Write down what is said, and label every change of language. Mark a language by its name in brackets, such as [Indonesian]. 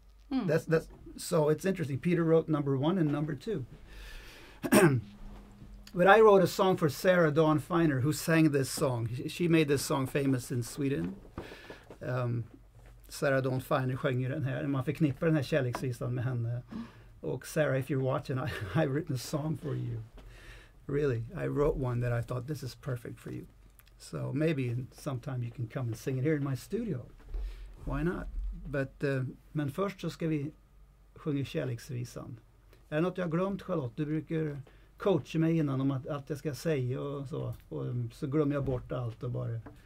[English] That's so it's interesting. Peter wrote number one and number two. But I wrote a song for Sarah Dawn Finer, who sang this song. She made this song famous in Sweden. [Swedish] Sarah Dawn Finer sjöng ju den här. Man förknippar den här kärleksvisan med henne. [English] Och Sarah, if you're watching, I've written a song for you. Really, I wrote one that I thought this is perfect for you. So maybe sometime you can come and sing it here in my studio. Why not? [Swedish] Men först så ska vi sjunga kärleksvisan. Är det något jag har glömt, Charlotte? Du brukar coacha mig innan om att allt jag ska säga och så. Och så glömmer jag bort allt och bara...